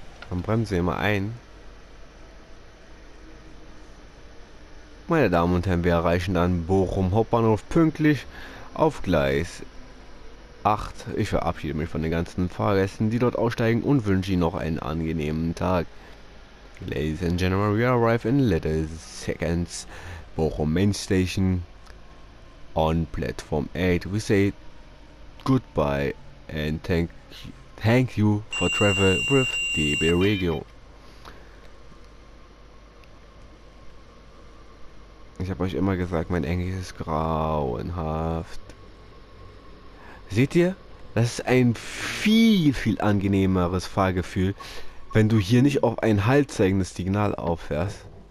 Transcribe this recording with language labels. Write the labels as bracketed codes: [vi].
[de] Man bremst immer ein. Meine Damen und Herren, wir erreichen dann Bochum Hauptbahnhof pünktlich auf Gleis 8. Ich verabschiede mich von den ganzen Fahrgästen, die dort aussteigen, und wünsche Ihnen noch einen angenehmen Tag. [en] Ladies and Gentlemen, we arrive in little seconds. Bochum Main Station on Platform 8. We say goodbye and thank you for travel with DB Regio. [de] Ich habe euch immer gesagt, mein Englisch ist grauenhaft. Seht ihr? Das ist ein viel, viel angenehmeres Fahrgefühl, wenn du hier nicht auf ein haltzeigendes Signal auffährst.